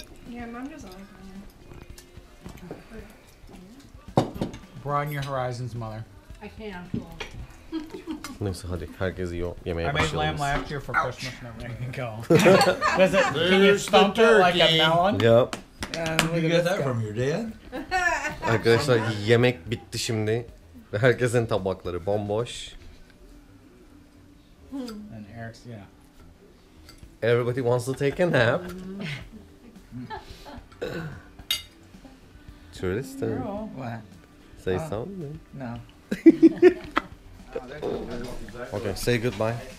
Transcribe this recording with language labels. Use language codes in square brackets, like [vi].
[en] Yeah, mom does all the time. Broaden your horizons, mother. I can't. [tr] Neyse, hadi. Herkes yiyor. Yemeğe başlayalım. [en] I made lamb last year for Christmas. Ouch. And everything can go. Does it, can you stump it like a melon? Yep. You got that from your dad? [tr] Arkadaşlar, yemek bitti şimdi. Herkesin tabakları bomboş. [en] And Eric's, yeah. Everybody wants to take a nap. Tristan. You're all wet. Say something. No. Okay, say goodbye.